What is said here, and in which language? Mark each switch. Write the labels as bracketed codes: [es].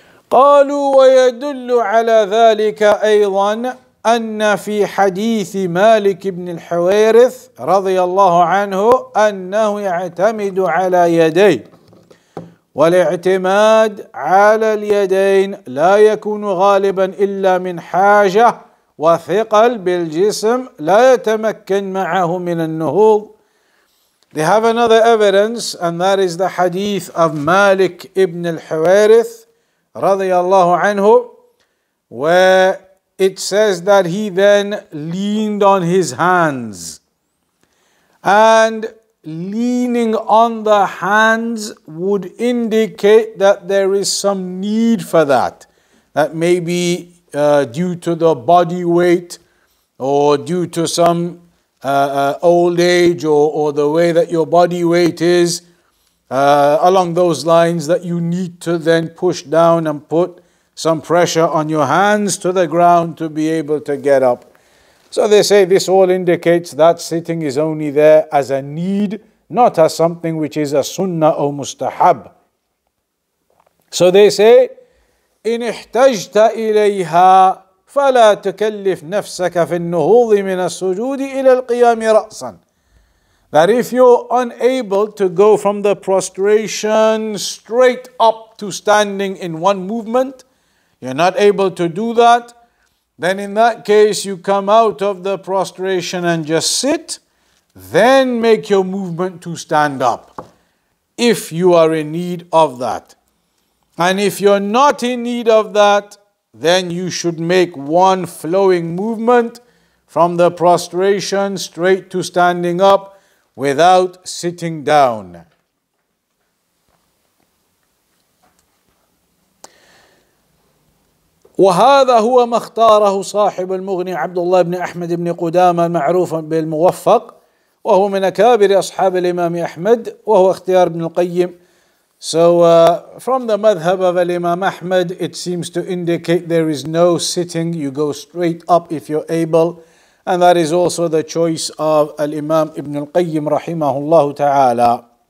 [ar] قالوا ويدل على ذلك أيضا أن في حديث مالك بن الحويرث رضي الله عنه أنه يعتمد على يديه والاعتماد على اليدين لا يكون غالبا إلا من حاجة وثقل بالجسم لا يتمكن معه من النهوض. [en] They have another evidence, and that is the hadith of Malik ibn al-Huwairith radiyallahu anhu, where it says that he then leaned on his hands. And leaning on the hands would indicate that there is some need for that. That may be due to the body weight or due to some old age or the way that your body weight is, along those lines, that you need to then push down and put some pressure on your hands to the ground to be able to get up. So they say this all indicates that sitting is only there as a need, not as something which is a sunnah or mustahab. So they say, [ar] إِنْ احْتَجْتَ إِلَيْهَا فَلَا تُكَلِّفْ نَفْسَكَ فِي النُّهُوضِ مِنَ السُّجُودِ إِلَى الْقِيَامِ رَأْسًا. [en] That if you're unable to go from the prostration straight up to standing in one movement, you're not able to do that, then in that case you come out of the prostration and just sit, then make your movement to stand up, if you are in need of that. And if you're not in need of that, then you should make one flowing movement from the prostration straight to standing up without sitting down. [ar] وهذا هو ما اختاره صاحب المغني عبد الله بن أحمد بن قدامة معروفا بالموفق وهو من أكابر أصحاب الإمام أحمد وهو اختيار ابن القيم. [en] So from the madhab of Imam Ahmad, it seems to indicate there is no sitting. You go straight up if you're able. And that is also the choice of Imam Ibn al-Qayyim rahimahullah ta'ala.